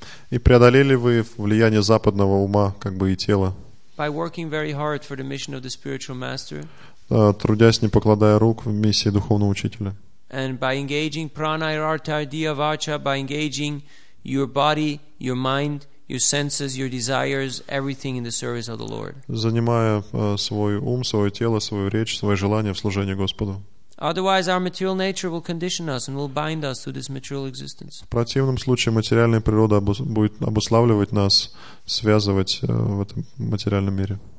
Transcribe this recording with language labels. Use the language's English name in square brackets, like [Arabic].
[Russian] И преодолели вы влияние западного ума, как бы и тела? [English] By working very hard for the mission of the spiritual master. [Russian] Трудясь, не покладая рук в миссии духовного учителя. [English] And by engaging pranayartha diyavacha, by engaging your body, your mind, your senses, your desires, everything in the service of the Lord. [Russian] Занимая свой ум, свое тело, свою речь, свои желания в служении Господу. [English] Otherwise, our material nature will condition us and will bind us to this material existence. [Russian] В противном случае материальная природа будет обуславливать нас, связывать в этом материальном мире.